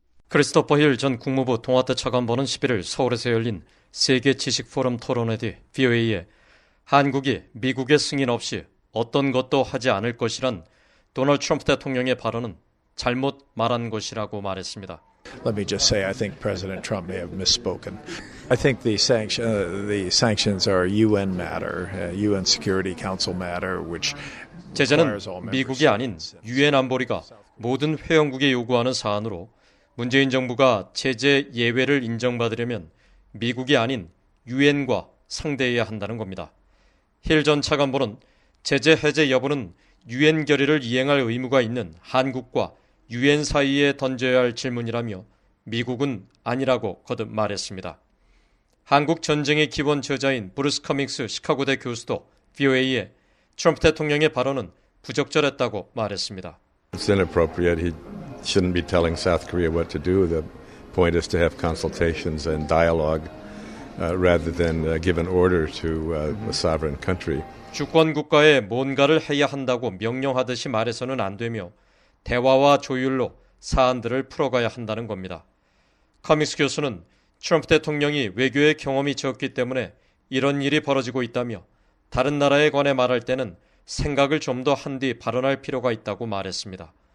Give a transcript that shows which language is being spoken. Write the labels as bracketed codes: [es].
[ko] 크리스토퍼 힐 전 국무부 통화대 차관보는 11일 서울에서 열린 세계 지식 포럼 토론회 뒤 VOA에 한국이 미국의 승인 없이 어떤 것도 하지 않을 것이란 도널드 트럼프 대통령의 발언은 잘못 말한 것이라고 말했습니다. [en] Let me just say, I think President Trump may have misspoken. I think the sanctions are UN matter, UN Security Council matter, which [ko] 제재는 미국이 아닌 유엔 안보리가 모든 회원국이 요구하는 사안으로 문재인 정부가 제재 예외를 인정받으려면 미국이 아닌 유엔과 상대해야 한다는 겁니다. 힐 전 차관보는 제재 해제 여부는 유엔 결의를 이행할 의무가 있는 한국과 유엔 사이에 던져야 할 질문이라며 미국은 아니라고 거듭 말했습니다. 한국 전쟁의 기원 저자인 브루스 커밍스 시카고대 교수도 VOA에 트럼프 대통령의 발언은 부적절했다고 말했습니다. [en] It's inappropriate. He shouldn't be telling South Korea what to do. The point is to have consultations and dialogue rather than give an order to a sovereign country. [ko] 주권 국가에 뭔가를 해야 한다고 명령하듯이 말해서는 안 되며 대화와 조율로 사안들을 풀어가야 한다는 겁니다. 커밍스 교수는 트럼프 대통령이 외교의 경험이 적기 때문에 이런 일이 벌어지고 있다며 다른 나라에 관해 말할 때는 생각을 좀 더 한 뒤 발언할 필요가 있다고 말했습니다.